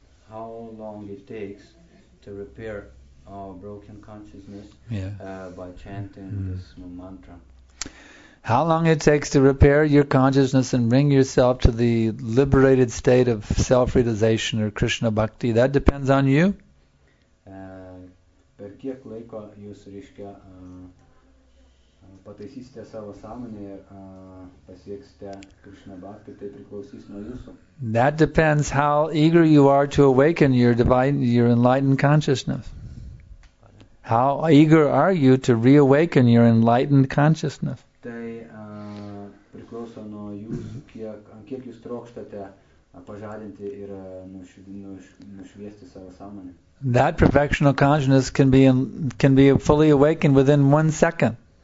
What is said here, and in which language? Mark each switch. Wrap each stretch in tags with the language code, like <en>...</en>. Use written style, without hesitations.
<en>How long it takes to repair our broken consciousness by chanting this mantra. how long it takes to repair your consciousness and bring yourself to the liberated state of self-realization or Krishna bhakti, that depends on you.</en> <lt>Per kiek laiko jūs, reiškia, pataisysite savo sąmonę ir pasieksite Krishna bhakti, tai priklausys nuo jūsų.</lt> <en>That depends how eager you are to awaken your divine, your enlightened consciousness. How eager are you to reawaken your enlightened consciousness?</en> <lt>Tai priklauso nuo jūsų, kiek jūs trokštate pažadinti ir nušviesti savo sąmonę.</lt> <en>That perfectional consciousness can be fully awakened within 1 second.</en>